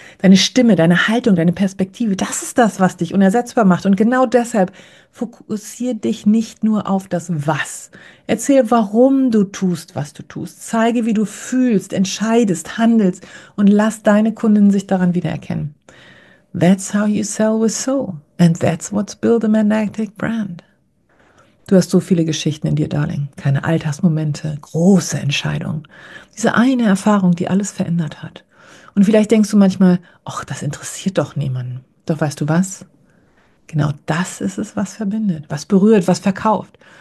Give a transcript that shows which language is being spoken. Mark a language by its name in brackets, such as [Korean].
[German] Deine Stimme, deine Haltung, deine Perspektive, das ist das, was dich unersetzbar macht. Und genau deshalb fokussier dich nicht nur auf das Was. Erzähl, warum du tust, was du tust. Zeige, wie du fühlst, entscheidest, handelst und lass deine Kunden sich daran wiedererkennen. [English] That's how you sell with soul. And that's what's build a magnetic brand. [German] Du hast so viele Geschichten in dir, Darling. Kleine Alltagsmomente, große Entscheidungen. Diese eine Erfahrung, die alles verändert hat. Und vielleicht denkst du manchmal, ach, das interessiert doch niemanden. Doch weißt du was? Genau das ist es, was verbindet, was berührt, was verkauft.